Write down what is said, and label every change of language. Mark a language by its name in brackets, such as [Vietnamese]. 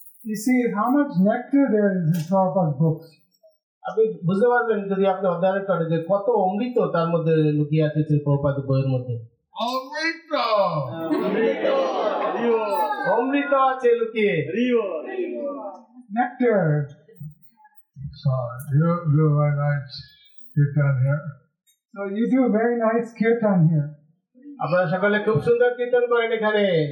[English] You see how much nectar there is in Prabhupada's books. [Bangla] আপনি বুঝতে পারবেন যদি আপনি অধ্যয়ন করেন যে কত অমৃত তার মধ্যে লুকিয়ে আছে শ্রী প্রভুপাদের বইয়ের মধ্যে. অমৃত অমৃত অমৃত আছে লুকিয়ে. [English] Nectar. So you do a very nice kirtan here. So you do a very nice kirtan here. [Bangla] আপনারা সকলে খুব সুন্দর কীর্তন করেন এখানে.